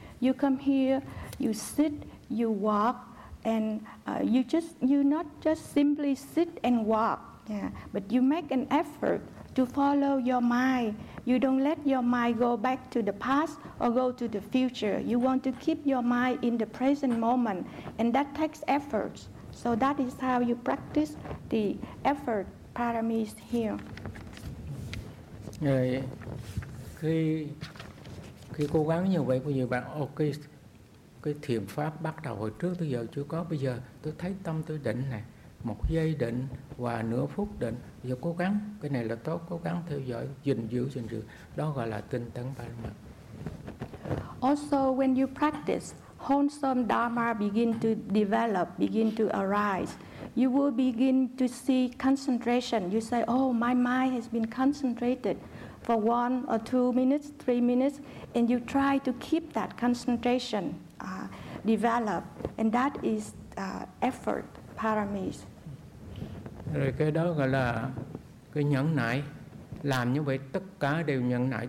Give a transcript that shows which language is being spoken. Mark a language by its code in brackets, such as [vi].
[en] You come here, you sit, you walk, and you not just simply sit and walk, yeah, but you make an effort to follow your mind. You don't let your mind go back to the past or go to the future. You want to keep your mind in the present moment, and that takes effort. So that is how you practice the effort paramis here. [vi] Rồi, khi cố gắng như vậy, có nhiều bạn, ok, cái thiền pháp bắt đầu hồi trước tới giờ chưa có, bây giờ tôi thấy tâm tôi định này, một giây định và nửa phút định, giờ cố gắng, cái này là tốt, cố gắng theo dõi, gìn giữ, đó gọi là tinh tấn paramis. [en] Also, when you practice, wholesome dharma begin to develop, begin to arise. You will begin to see concentration. You say, oh, my mind has been concentrated for 1 or 2 minutes, 3 minutes, and you try to keep that concentration develop. And that is effort, paramis. [vi] Rồi cái đó gọi là cái nhẫn nại. Làm như vậy tất cả đều nhẫn nại.